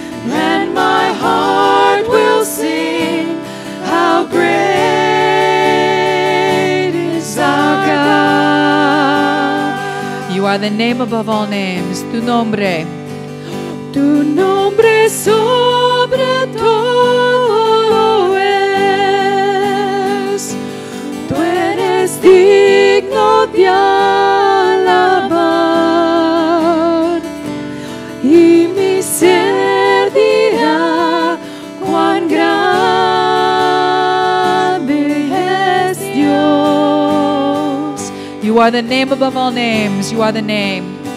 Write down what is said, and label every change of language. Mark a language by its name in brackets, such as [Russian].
[English] And my heart will sing how great is our God. You are the name above all names. [Spanish] Tu nombre sobre todo es, tú eres digno de alabar, y mi ser dirá cuán grande es Dios. [English] You are the name above all names, you are the name.